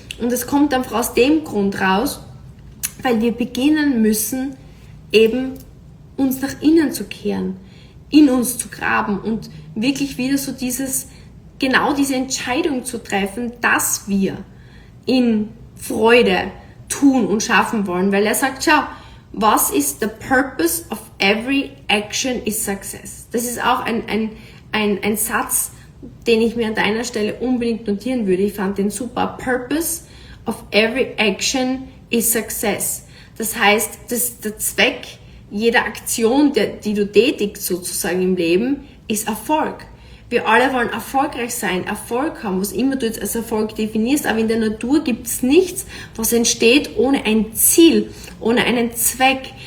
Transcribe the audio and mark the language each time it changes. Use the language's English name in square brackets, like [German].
[German] Und das kommt einfach aus dem Grund raus, weil wir beginnen müssen, eben uns nach innen zu kehren, in uns zu graben und wirklich wieder so dieses, genau diese Entscheidung zu treffen, dass wir in Freude tun und schaffen wollen, weil er sagt, schau, was ist [English] the purpose of every action is success. [German] Das ist auch ein Satz, den ich mir an deiner Stelle unbedingt notieren würde. Ich fand den super. [English] Purpose of every action is success. [German] Das heißt, dass der Zweck jeder Aktion, die du tätigst sozusagen im Leben, ist Erfolg. Wir alle wollen erfolgreich sein, Erfolg haben, was immer du jetzt als Erfolg definierst, aber in der Natur gibt es nichts, was entsteht ohne ein Ziel, ohne einen Zweck.